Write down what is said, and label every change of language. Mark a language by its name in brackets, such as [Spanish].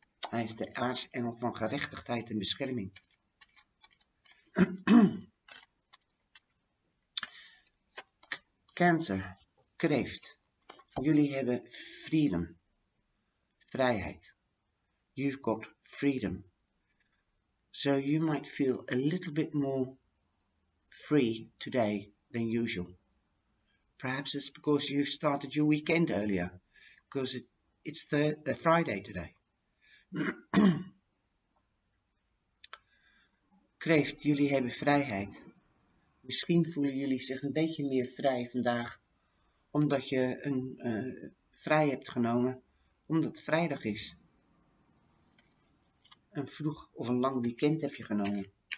[Dutch] Hij is de aartsengel van gerechtigheid en bescherming. Cancer, kreeft. Jullie hebben freedom, vrijheid. [English] You've got freedom. So you might feel a little bit more free today than usual. Perhaps it's because you've started your weekend earlier, because it's the Friday today. [Dutch] Kreeft, jullie hebben vrijheid. Misschien voelen jullie zich een beetje meer vrij vandaag, omdat je een vrij hebt genomen, omdat het vrijdag is. Een vroeg of een lang weekend heb je genomen.